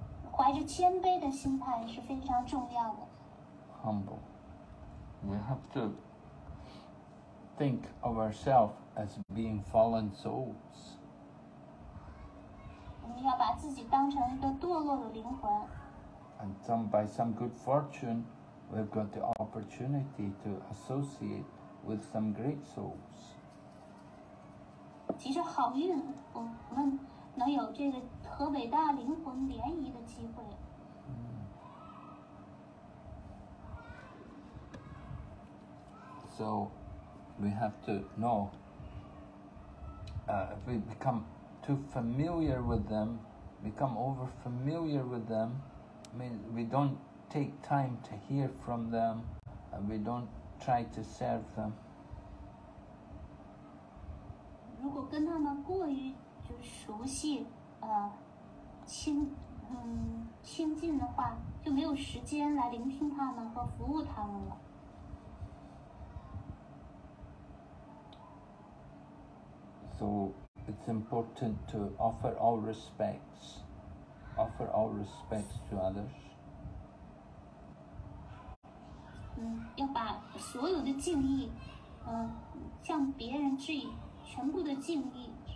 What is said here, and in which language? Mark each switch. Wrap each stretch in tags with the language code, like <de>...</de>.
<zh>怀着谦卑的心态是非常重要的。</zh> <en>Humble. We have to think of ourselves as being fallen souls.</en> <zh>我们要把自己当成一个堕落的灵魂。</zh> <en>And some, by some good fortune, we've got the opportunity to associate with some great souls.</en> <zh>其实好运，我们能有这个和伟大灵魂联谊的机会。</zh> <en>So we have to know, if we become too familiar with them, become over familiar with them, I mean, we don't take time to hear from them, and we don't try to serve them.</en> <zh>如果跟他们过于熟悉，亲近的话，就没有时间来聆听他们和服务他们了。</zh> <en>So it's important to offer all respects to others.</en> <zh>要把所有的敬意，向别人致以全部的敬意。</zh>